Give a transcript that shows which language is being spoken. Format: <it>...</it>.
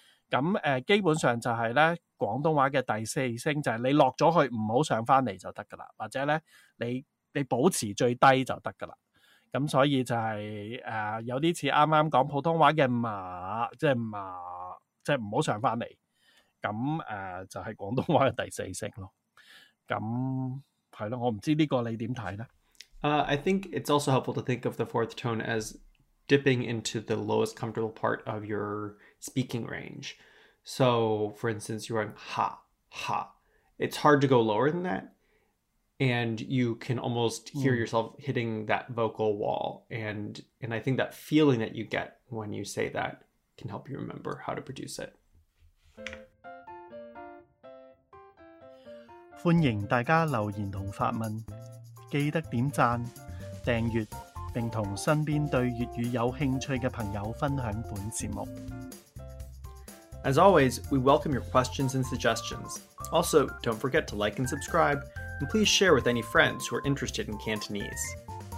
<yue>咁基本上就是呢广东话的第四声就是你落咗去唔好上返嚟就得㗎啦，或者呢你保持最低就得㗎啦。咁所以就是有啲似啱啱讲普通话的妈，即是妈，即是唔好上返嚟。咁就是广东话的第四声囉。咁係囉，我唔知呢个你点睇呢？</yue> <en>I think it's also helpful to think of the fourth tone as dipping into the lowest comfortable part of your speaking range. So, for instance, you're going ha, ha. It's hard to go lower than that. And you can almost hear yourself hitting that vocal wall. And I think that feeling that you get when you say that can help you remember how to produce it.</en> <yue>欢迎大家留言同发问。记得点赞、订阅，并同身边对粤语有兴趣的朋友分享本节目。</yue> <en>As always, we welcome your questions and suggestions. Also, don't forget to like and subscribe, and please share with any friends who are interested in Cantonese.</en>